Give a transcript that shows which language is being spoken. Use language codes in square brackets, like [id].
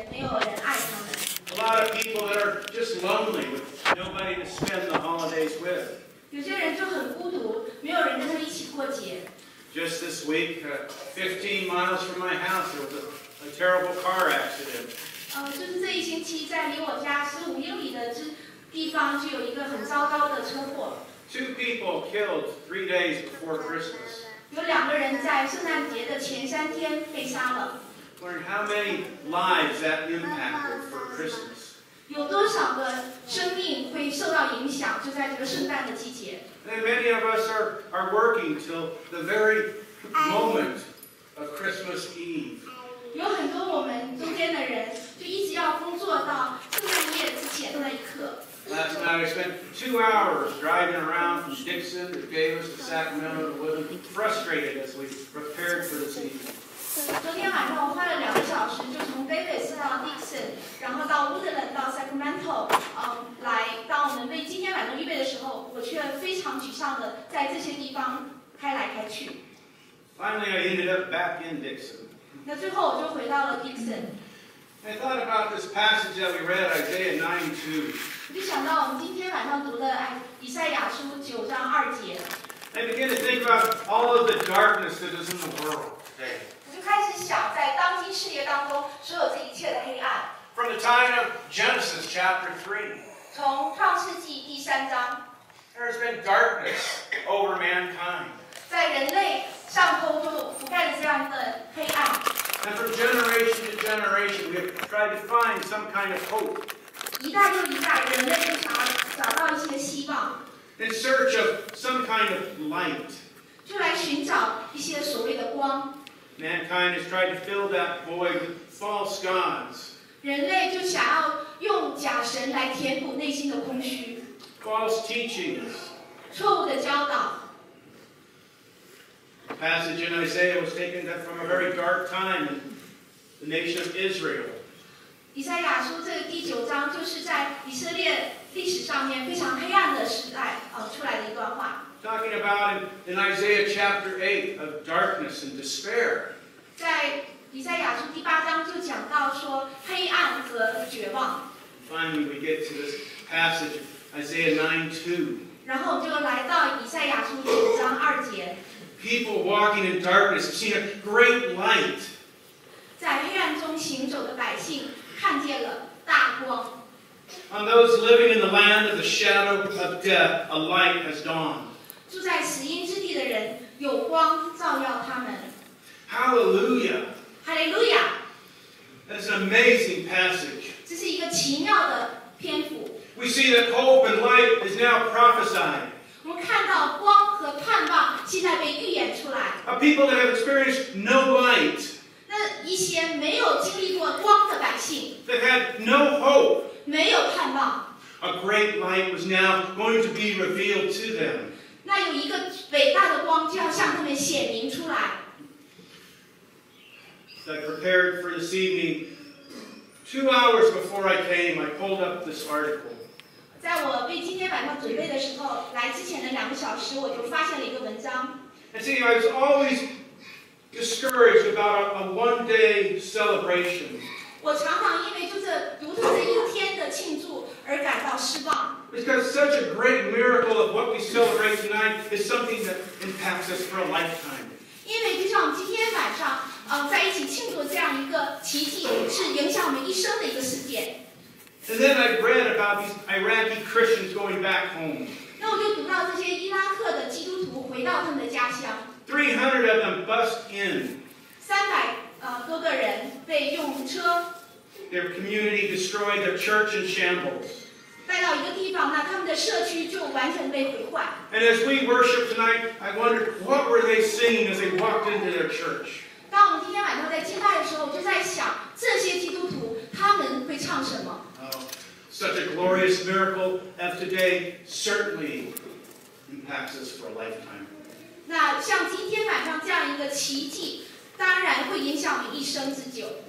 [en] that are just lonely with nobody to spend the holidays with. [zh] 有些人就很孤独，没有人跟他们一起过节。 [en] Just this week, 15 miles from my house, there was a terrible car accident. [zh] 就是这一星期，在离我家15英里的地方，就有一个很糟糕的车祸。 [en] Two people killed 3 days before Christmas. [zh] 有两个人在圣诞节的前三天被杀了。 [en] Learn how many lives that impacted for Christmas. [zh] 有多少个生命会受到影响，就在这个圣诞的季节。 [en] And many of us are working till the very moment of Christmas Eve. [zh] 有很多我们中间的人就一直要工作到圣诞夜之前的那一刻。 [en] Last night I spent 2 hours driving around from Dixon to Davis to Sacramento and was frustrated as we prepared for this evening. [zh] 昨天晚上我花了2个小时就从 Davis 到 Dixon， 然后到 Woodland 到 Sacramento， 来到我们为今天晚上预备的时候，我却非常沮丧的在这些地方开来开去。 [en] Finally, I ended up back in Dixon. [zh] 那最后我就回到了 Dixon。 [en] I thought about this passage that we read, Isaiah 9:2. [zh] 我就想到我们今天晚上读的以赛亚书9:2。 [en] I began to think about all of the darkness that is in the world today. [zh] 我就开始想在当今世界当中所有这一切的黑暗。 [en] From the time of Genesis chapter 3. [zh] 从创世纪第三章。 [en] There has been darkness over mankind. [zh] 在人类上空就覆盖了这样的黑暗。 [en] And from generation to generation, we have tried to find some kind of hope. [zh] 一代又一代，人类就想找到一些希望。 [en] In search of some kind of light. [zh] 就来寻找一些所谓的光。 [en] Mankind has tried to fill that void with false gods. [zh] 人类就想要用假神来填补内心的空虚。 [en] False teachings. [zh] 错误的教导。 [en] The passage in Isaiah was taken from a very dark time in the nation of Israel. [zh] 以赛亚书这第九章就是在以色列历史上面非常黑暗的时代出来的一段话。 [en] Talking about in Isaiah chapter 8 of darkness and despair. [zh] 在以赛亚书第八章就讲到说黑暗和绝望。 [en] Finally, we get to this passage, Isaiah 9:2. [zh] 然后就来到以赛亚书9:2。 [en] People walking in darkness have seen a great light. [zh] 在黑暗中行走的百姓看见了大光。 [en] On those living in the land of the shadow of death, a light has dawned. [zh] 住在死荫之地的人有光照耀他们。 [en] Hallelujah! Hallelujah! That's an amazing passage. [zh] 这是一个奇妙的篇幅。 [en] We see that hope and light is now prophesied. [zh] 我们看到光和盼望现在被预言出来。 [en] A people that have experienced no light. [zh] 那一些没有经历过光的百姓。 [en] That had no hope. [zh] 没有盼望。 [en] A great light was now going to be revealed to them. [zh] 那有一个伟大的光就要向他们显明出来。 [en] So I prepared for this evening. 2 hours before I came, I pulled up this article. [zh] 在我为今天晚上准备的时候，来之前的2个小时，我就发现了一个文章。 [en] And see, I was always discouraged about a one-day celebration. [zh] 我常常因为就是读到这一天的庆祝而感到失望。 [en] Because such a great miracle of what we celebrate tonight is something that impacts us for a lifetime. [zh] 因为就像我们今天晚上，在一起庆祝这样一个奇迹，是影响我们一生的一个事件。 [en] And then I read about these Iraqi Christians going back home. [zh] 那我就读到这些伊拉克的基督徒回到他们的家乡。 [en] 300 of them bust in. [zh] 300多个人被用车。 [en] Their community destroyed, their church in shambles. [zh] 带到一个地方，那他们的社区就完全被毁坏。 [en] And as we worship tonight, I wondered what were they singing as they walked into their church. [zh] 当我们今天晚上在敬拜的时候，我就在想这些基督徒他们会唱什么。 [en] Such a glorious miracle of today certainly impacts us for a lifetime. [zh] 那像今天晚上这样一个奇迹，当然会影响我们一生之久。